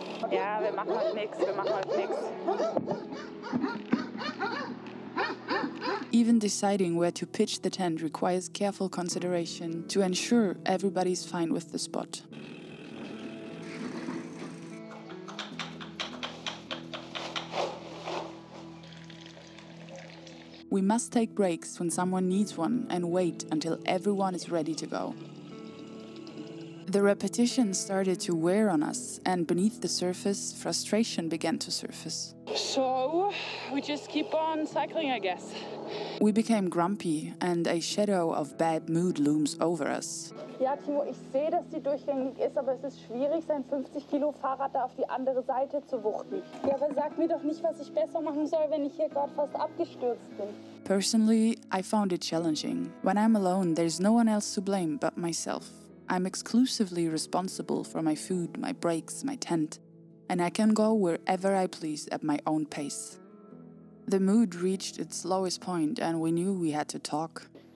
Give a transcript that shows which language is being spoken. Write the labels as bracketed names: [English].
[German] Ja, wir machen halt nichts, wir machen halt nichts. [English] Even deciding where to pitch the tent requires careful consideration to ensure everybody's fine with the spot. We must take breaks when someone needs one and wait until everyone is ready to go. The repetition started to wear on us, and beneath the surface, frustration began to surface. So, we just keep on cycling, I guess. We became grumpy, and a shadow of bad mood looms over us. [German] Ja, Timo, ich sehe, dass sie durchgängig ist, aber es ist schwierig, sein 50-Kilo-Fahrrad da auf die andere Seite zu wuchten. Ja, aber sag mir doch nicht, was ich besser machen soll, wenn ich hier gerade fast abgestürzt bin. [English] Personally, I found it challenging. When I'm alone, there's no one else to blame but myself. I'm exclusively responsible for my food, my breaks, my tent, and I can go wherever I please at my own pace. The mood reached its lowest point, and we knew we had to talk.